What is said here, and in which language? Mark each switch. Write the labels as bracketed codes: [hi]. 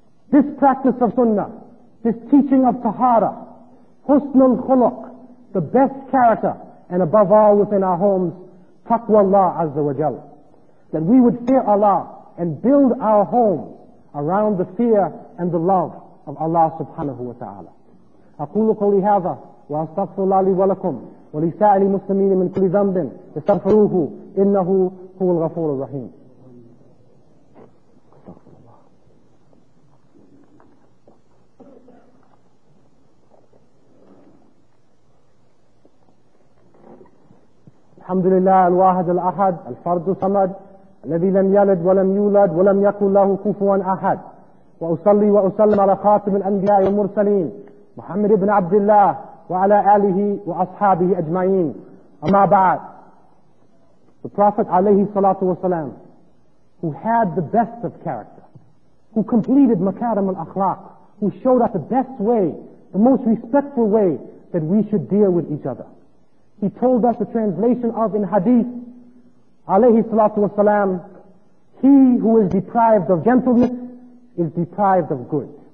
[en] This practice of sunnah, this teaching of tahara, husnul khuluq, the best character, and above all within our homes, [ar] taqwa Allah azza wa jalla, [en] that we would fear Allah and build our home around the fear and the love of Allah [ar] subhanahu wa ta'ala. أقول قولي هذا وأستغفر الله لي ولكم ولسائر المسلمين من كل ذنب استغفروه إنه هو الغفور الرحيم. الحمد لله الواحد الأحد الفرد الصمد الذي لم يلد ولم يولد ولم يكن له كفوا أحد. وأصلي وأسلم على خاتم الأنبياء والمرسلين محمد بن عبد الله وعلى آله وأصحابه أجمعين. أما بعد, [en] the Prophet [ar] عليه الصلاة والسلام, [en] who had the best of character, who completed [ar] مكارم الأخلاق, [en] who showed us the best way, the most respectful way that we should deal with each other. He told us the translation of in hadith, [ar] عليه الصلاة والسلام, [en] he who is deprived of gentleness is deprived of good.